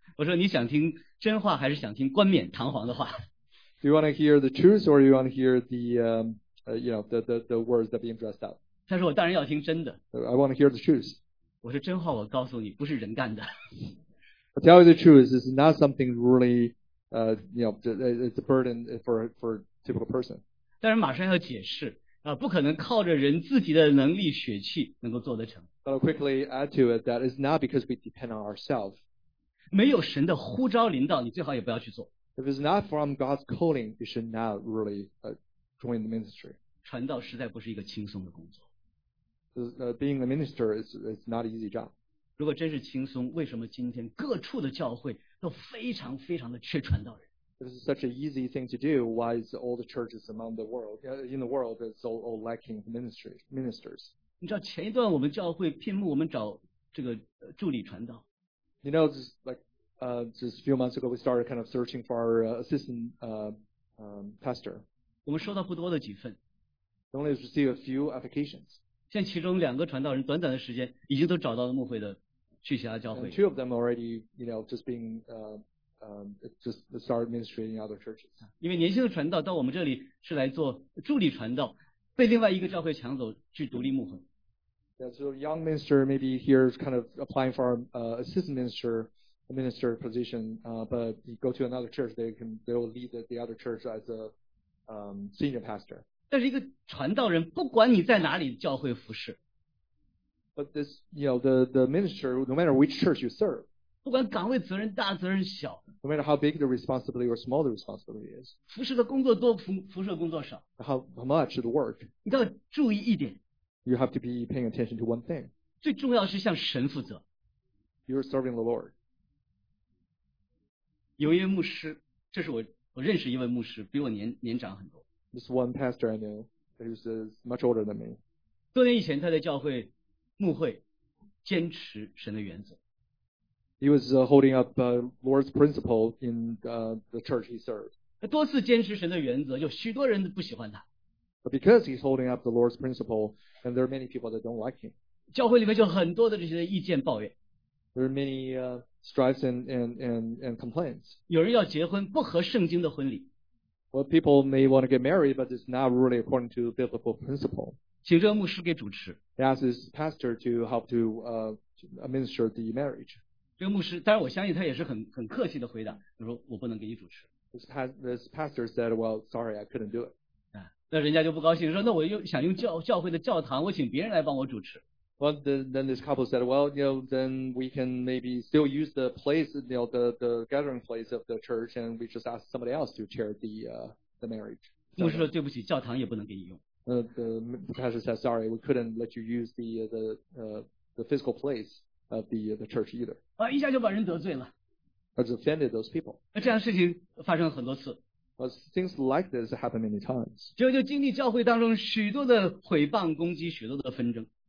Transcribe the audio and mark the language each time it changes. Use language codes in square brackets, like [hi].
[zh] 我说你想听真话还是想听冠冕堂皇的话？ [en] Do you want to hear the truth or you want to hear the words that being dressed up? [zh] 他说我当然要听真的。 [en] I want to hear the truth. [zh] 我说真话我告诉你不是人干的。 [en] I'll tell you the truth, it's not something really, it's a burden for a typical person. [zh] 但是马上要解释啊，不可能靠着人自己的能力血气能够做得成。 [en] But I'll quickly add to it that it's not because we depend on ourselves. [zh] 没有神的呼召领导，你最好也不要去做。 [en] If it's not from God's calling, you should not really join the ministry. [zh] 传道实在不是一个轻松的工作。 [en] Being a minister is not an easy job. [zh] 如果真是轻松，为什么今天各处的教会都非常非常的缺传道人？ [en] If it's such an easy thing to do, why is all the churches among the world, in the world so all lacking ministers? [zh] 你知道前一段我们教会聘牧我们找这个助理传道。 [en] You know, just a few months ago, we started kind of searching for our assistant pastor. [zh] 我们收到不多的几份。 [en] We only received a few applications. [zh] 现在其中两个传道人短短的时间已经都找到了牧会的去其他教会。 [en] And two of them already, just being... just start ministry in other churches. [zh] 因为年轻的传道到我们这里是来做助理传道，被另外一个教会抢走去独立牧会。 [en] Yeah, so young minister maybe here is kind of applying for assistant minister, a minister position, but you go to another church, they will lead the other church as a senior pastor. [zh] 但是一个传道人，不管你在哪里教会服事。 [en] But this, the minister, no matter which church you serve. [zh] 不管岗位责任大责任小 [en] No matter how big the responsibility or small the responsibility is [zh] 服侍的工作多服侍的工作少 [en] How much the work [zh] 你都要注意一点 [en] You have to be paying attention to one thing [zh] 最重要是向神负责 [en] You're serving the Lord [zh] 有一位牧师这是我认识一位牧师比我 年长很多 [en] This one pastor I knew who's much older than me [zh] 多年以前他在教会牧会坚持神的原则 [en] He was holding up the Lord's principle in the church he served. [zh] 多次坚持神的原则，有许多人不喜欢他。 [en] But because he's holding up the Lord's principle, and there are many people that don't like him. [zh] 教会里面就很多的这些意见抱怨。 [en] There are many strifes and complaints. [zh] 有人要结婚，不合圣经的婚礼。 [en] Well, people may want to get married, but it's not really according to biblical principle. [zh] 请这个牧师给主持。 [en] They ask his pastor to help to administer the marriage. [zh] 这个牧师，当然我相信他也是很客气的回答，他说我不能给你主持。 [en] This pastor said, "Well, sorry, I couldn't do it." [zh] 那人家就不高兴，说那我又想用教会的教堂，我请别人来帮我主持。 [en] Well, then this couple said, "Well, then we can maybe still use the place, the gathering place of the church, and we just ask somebody else to chair the marriage." [zh] 牧师说对不起，教堂也不能给你用。 [en] The pastor said, "Sorry, we couldn't let you use the physical place." Of the church either. [zh] 啊，一下就把人得罪了。 [en] Has offended those people. [zh] 那这样事情发生了很多次。 [en] But things like this happen many times. [zh] 结果就经历教会当中许多的毁谤攻击，许多的纷争。